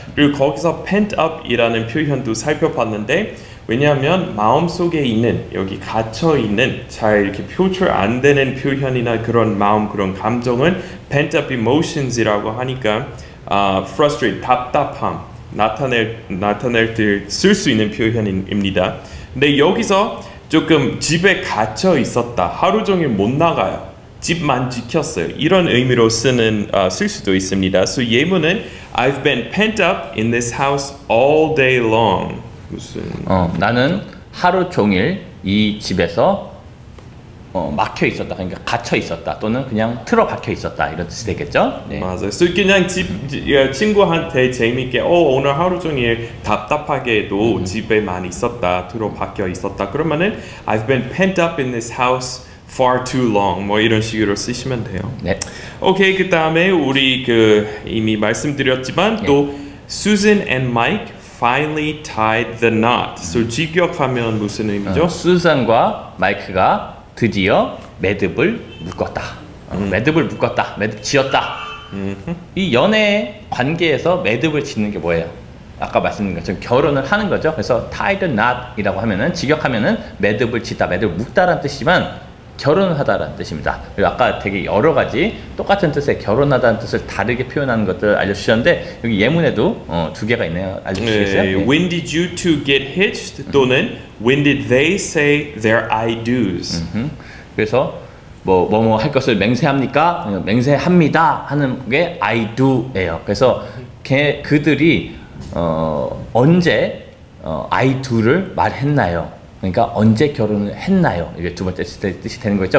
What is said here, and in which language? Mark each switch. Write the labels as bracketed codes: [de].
[ko] 그리고 거기서 pent up 이라는 표현도 살펴봤는데 왜냐하면 마음속에 있는 여기 갇혀있는 잘 이렇게 표출 안 되는 표현이나 그런 마음 그런 감정은 [en] pent up emotions [ko] 이라고 하니까 frustrate 답답함 나타낼 때 쓸 수 있는 표현입니다. 근데 여기서 조금 집에 갇혀 있었다 하루 종일 못 나가요 집만 지켰어요. 이런 의미로 쓸 수도 있습니다. [en] So 예문은 I've been pent up in this house all day long. [ko] 무슨? 나는 하루 종일 이 집에서 막혀 있었다. 그러니까 갇혀 있었다. 또는 그냥 틀어 박혀 있었다. 이런 뜻이 되겠죠? 네. 맞아요. So 그냥 친구한테 재미있게 오늘 하루 종일 답답하게도 집에만 있었다. 틀어 박혀 있었다. 그러면은 [en] I've been pent up in this house far too long [ko] 뭐 이런 식으로 쓰시면 돼요. 네. 오케이 그 다음에 우리 그 이미 말씀드렸지만 네. [en] 또 Susan and Mike finally tied the knot. [ko] So 직역하면 무슨 의미죠? Susan과 Mike가 드디어 매듭을 묶었다. 매듭을 묶었다. 매듭 지었다. 이 연애 관계에서 매듭을 짓는 게 뭐예요? 아까 말씀드린 것처럼 결혼을 하는 거죠. 그래서 tied the knot이라고 하면은 직역하면은 매듭을 짓다, 매듭을 묶다라는 뜻이지만 결혼하다라는 뜻입니다. 그리고 아까 되게 여러 가지 똑같은 뜻의 결혼하다는 뜻을 다르게 표현하는 것들 알려주셨는데 여기 예문에도 두 개가 있네요. 알려주시겠어요? 네. [en] When did you two get hitched? 또는 When did they say their I do's? [ko] 그래서 뭐 할 것을 맹세합니까? 맹세합니다 하는 게 I do예요. 그래서 그들이 언제 I do를 말했나요? 그러니까 언제 결혼을 했나요? 이게 두 번째 뜻이 되는 거죠.